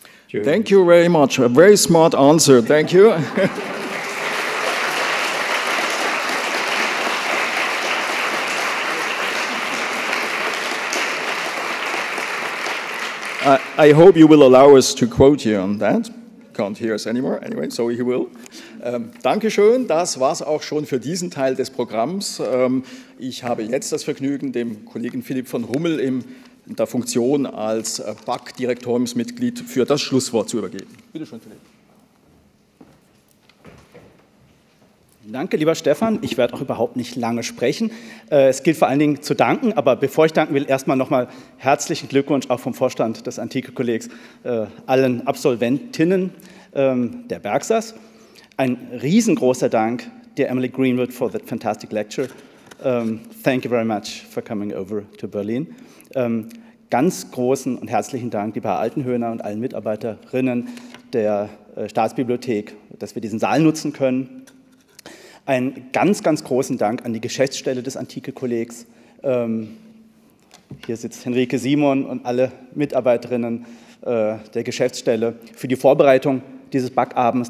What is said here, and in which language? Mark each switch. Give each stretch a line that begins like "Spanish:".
English: Thank you very much. A very smart answer. Thank you. I hope you will allow us to quote you on that. Can't hear us anymore. Anyway, so he will.
German: Dankeschön, das war's auch schon für diesen Teil des Programms. Ich habe jetzt das Vergnügen, dem Kollegen Philipp von Hummel in der Funktion als BAC-Direktoriumsmitglied für das Schlusswort zu übergeben. Bitte schön, Philipp. Danke, lieber Stefan. Ich werde auch überhaupt nicht lange sprechen. Es gilt vor allen Dingen zu danken, aber bevor ich danken will, erstmal nochmal herzlichen Glückwunsch auch vom Vorstand des Antike-Kollegs allen Absolventinnen der Bergsas. Ein riesengroßer Dank dir, Emily Greenwood,
English: for that fantastic lecture. Thank you very much for coming over to Berlin.
German: Ganz großen und herzlichen Dank, lieber Altenhöhner und allen Mitarbeiterinnen, der Staatsbibliothek, dass wir diesen Saal nutzen können. Einen ganz, ganz großen Dank an die Geschäftsstelle des Antike-Kollegs. Hier sitzt Henrike Simon und alle Mitarbeiterinnen der Geschäftsstelle für die Vorbereitung dieses Backabends.